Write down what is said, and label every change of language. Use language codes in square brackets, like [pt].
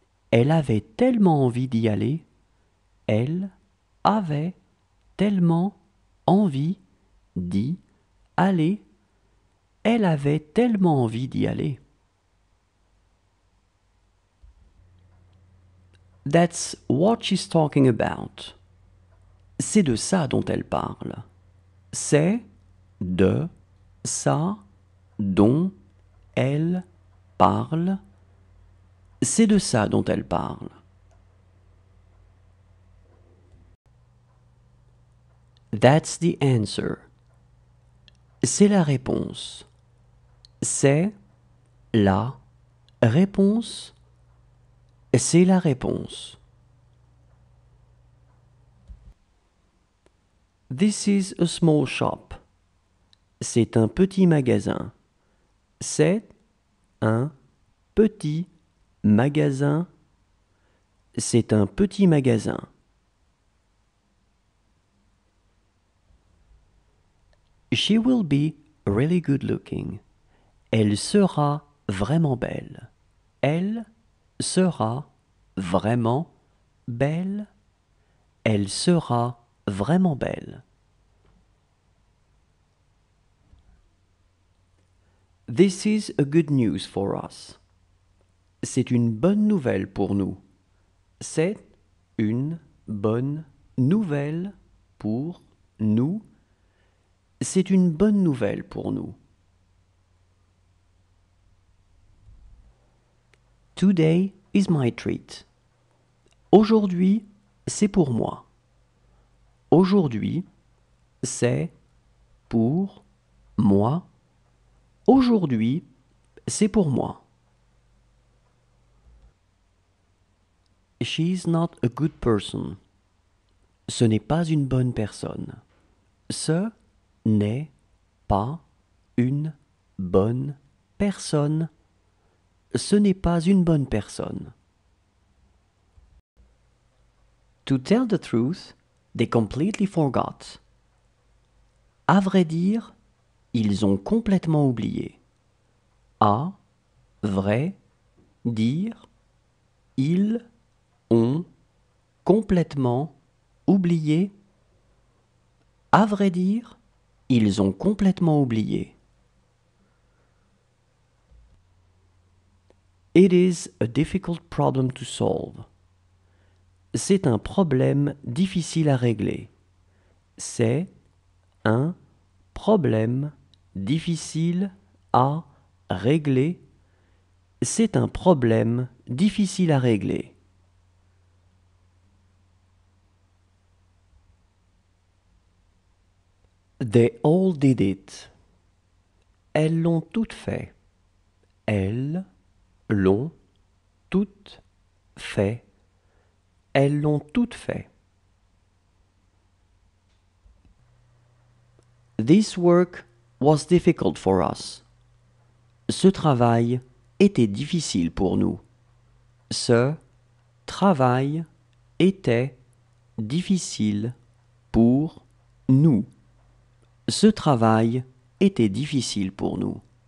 [fr] Elle avait tellement envie d'y aller. Elle avait tellement envie d'y aller. Elle avait tellement envie d'y aller. [en] That's what she's talking about. [fr] C'est de ça dont elle parle. C'est de ça dont elle parle. C'est de ça dont elle parle. [en] That's the answer. [fr] C'est la réponse. C'est la réponse. C'est la réponse. [en] This is a small shop. [fr] C'est un petit magasin. C'est un petit magasin. C'est un petit magasin. [en] She will be really good looking. [fr] Elle sera vraiment belle. Elle sera vraiment belle. Elle sera vraiment belle. [en] This is a good news for us. [fr] C'est une bonne nouvelle pour nous. C'est une bonne nouvelle pour nous. C'est une bonne nouvelle pour nous. [en] Today is my treat. [fr] Aujourd'hui, c'est pour moi. Aujourd'hui, c'est pour moi. Aujourd'hui, c'est pour moi. [en] She's not a good person. [fr] Ce n'est pas une bonne personne. Ce n'est pas une bonne personne. Ce n'est pas une bonne personne. [en] To tell the truth, they completely forgot. [fr] À vrai dire, ils ont complètement oublié. À vrai dire, ils ont complètement oublié. À vrai dire, ils ont complètement oublié. [en] It is a difficult problem to solve. [fr] C'est un problème difficile à régler. C'est un problème difficile à régler. C'est un problème difficile à régler. [en] They all did it. [fr] Elles l'ont toutes fait. Elles l'ont toutes fait. Elles l'ont toutes fait. [en] This work was difficult for us. [fr] Ce travail était difficile pour nous. Ce travail était difficile pour nous. Ce travail était difficile pour nous.